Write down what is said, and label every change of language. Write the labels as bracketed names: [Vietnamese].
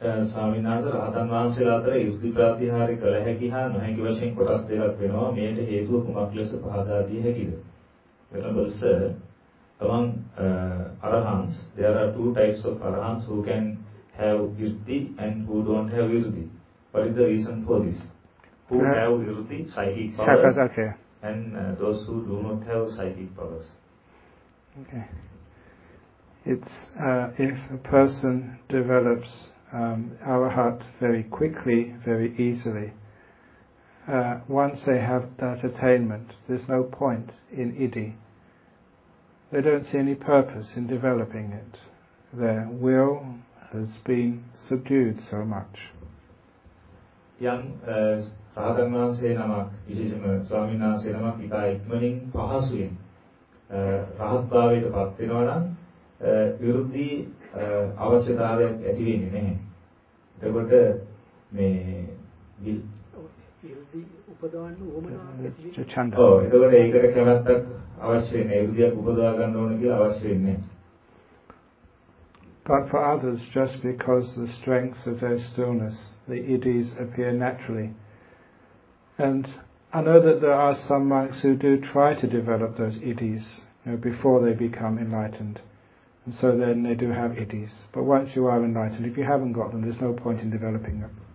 [Sinhala] ස්වාමීන් වහන්සේ රහතන් වහන්සේලා අතර යුද්ධ ප්‍රතිහාරය කළ හැකි හා නොහැකි වශයෙන් කොටස් දෙකක් වෙනවා. මේට හේතුව කුමක් ලෙස පහදා දිය හැකිද? [English] Venerable sir, among arahants there are two types of arahants who can have yuddhi and who don't have yuddhi. What is the reason for this? Who have yuddhi, psychic powers, okay, and those who do not have psychic powers. Okay. It's if a person develops arahat very quickly, very easily, once they have that attainment, there's no point in iddhi. they don't see any purpose in developing it. Their will has been subdued so much. [Sinhala] යම් රහතන් වහන්සේ නමක් විශේෂම ස්වාමීන් වහන්සේ නමක් ඉතා ඉක්මනින් පහසුවෙන් රහත්භාවයට පත් වෙනවා නම් විරුද්ධි අවශ්‍යතාවයක් ඇති වෙන්නේ නැහැ. එතකොට මේ විරුද්ධි උපදවන්න උවමනා ඇති වෙන්නේ. එතකොට ඒකට කැමැත්තක් අවශ්‍ය නැහැ. විරුද්ධියක් උපදවා ගන්න ඕන කියලා අවශ්‍ය වෙන්නේ නැහැ. [English] But for others, just because the strength of their stillness, the iddhis appear naturally. And I know that there are some monks who do try to develop those iddhis, you know, before they become enlightened. And so then they do have iddhis. But once you are enlightened, if you haven't got them, there's no point in developing them.